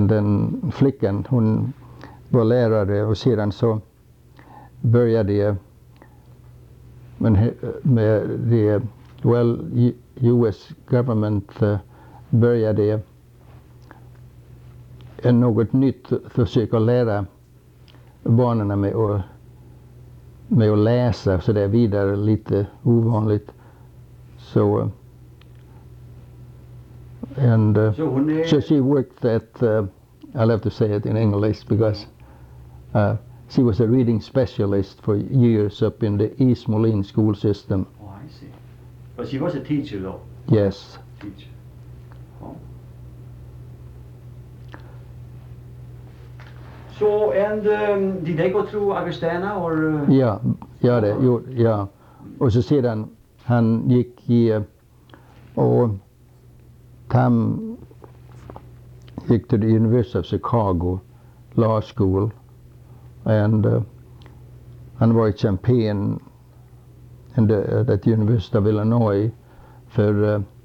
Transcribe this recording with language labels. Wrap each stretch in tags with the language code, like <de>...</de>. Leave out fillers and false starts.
<sv>Den flickan, hon var lärare och sedan så började jag med det, well, US government började en något nytt försök att lära barnen med att läsa så där vidare, lite ovanligt.</sv> <en>So, and so she worked at, I'll have to say it in English, because she was a reading specialist for years up in the East Moline school system. Oh, I see. But she was a teacher, though. Yes. Teacher. Oh. So, and did they go through Augustana, or? Yeah.</en> <sv>Och så sedan, han gick i, och Tam gick till the University of Chicago Law School, and han var i Champaign in at the University of Illinois för a</sv>